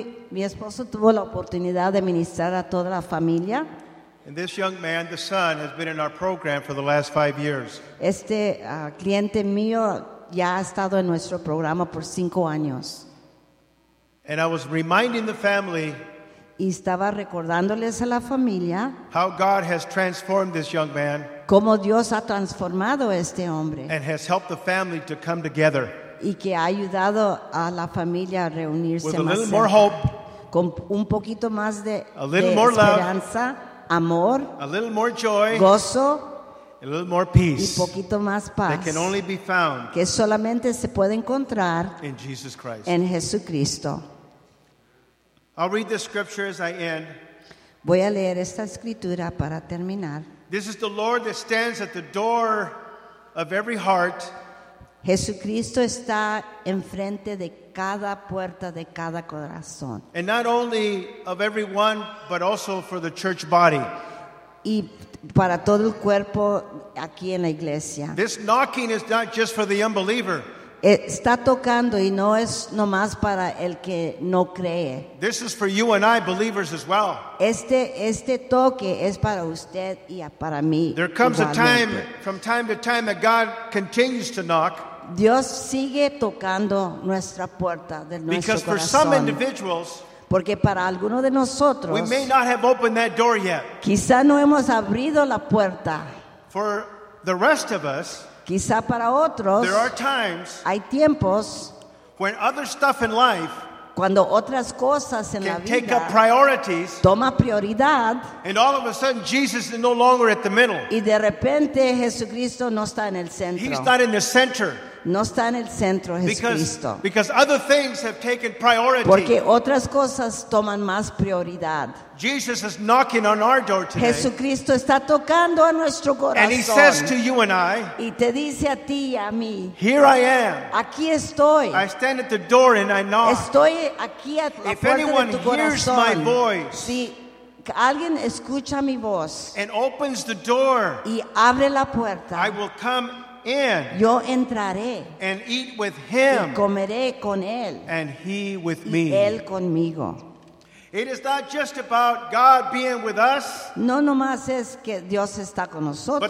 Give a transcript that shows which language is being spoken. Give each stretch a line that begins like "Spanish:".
Spanish: Mi esposo tuvo la oportunidad de ministrar a toda la familia.
English: And this young man, the son, has been in our program for the last 5 years.
Spanish: Este cliente mío ya ha estado en nuestro programa por 5 años.
English: And I was reminding the family.
Spanish: Y estaba recordándoles a la familia.
English: How God has transformed this young man.
Spanish: Cómo Dios ha transformado este hombre.
English: And has helped the family to come together.
Spanish: Y que ha ayudado a la familia a reunirse
English: with
Spanish: más.
English: With a little more hope.
Spanish: Con un poquito más de
English: a little
Spanish: de
English: more
Spanish: esperanza,
English: love,
Spanish: amor,
English: a little more joy,
Spanish: gozo,
English: a little more peace.
Spanish: Y poquito más paz.
English: That can only be found.
Spanish: Que solamente se puede encontrar
English: in Jesus Christ.
Spanish: En Jesucristo.
English: I'll read this scripture as I end.
Spanish: Voy a leer esta escritura para terminar.
English: This is the Lord that stands at the door of every heart.
Spanish: Jesucristo está enfrente de cada puerta de cada corazón.
English: And not only of everyone, but also for the church body.
Spanish: Y para todo el cuerpo aquí en la iglesia.
English: This knocking is not just for the unbeliever.
Spanish: Está tocando y no es nomás para el que no cree.
English: This is for you and I, believers as well.
Spanish: Este toque es para usted y para mí.
English: There comes
Spanish: igualmente.
English: A time, from time to time, that God continues to knock.
Spanish: Dios sigue tocando nuestra puerta de nuestro
English: because
Spanish: corazón.
English: For some individuals,
Spanish: porque para alguno de nosotros,
English: we may not have opened that door yet.
Spanish: Quizá no hemos abrido la puerta.
English: For the rest of us,
Spanish: quizá para otros,
English: there are times
Spanish: hay tiempos
English: when other stuff in life
Spanish: cuando otras cosas en
English: can
Spanish: la vida
English: take up priorities
Spanish: toma prioridad,
English: and all of a sudden Jesus is no longer at the middle.
Spanish: Y de repente Jesucristo no está en el centro.
English: He's not in the center.
Spanish: No está en el centro, Jesucristo.
English: Because other things have taken priority.
Spanish: Porque otras cosas toman más prioridad.
English: Jesus is knocking on our door today.
Spanish: Jesucristo está tocando a nuestro corazón.
English: And he says to you and I,
Spanish: y te dice a ti y a mí,
English: here I am.
Spanish: Aquí estoy.
English: I stand at the door and I knock.
Spanish: Estoy aquí a la
English: if anyone
Spanish: de tu corazón,
English: hears my voice,
Spanish: si alguien escucha mi voz,
English: and opens the door,
Spanish: y abre la puerta,
English: I will come in,
Spanish: yo entraré,
English: and eat with him,
Spanish: y comeré con él,
English: and he with me,
Spanish: y él conmigo.
English: It is not just about God being with us,
Spanish: no nomás es que Dios está con nosotros,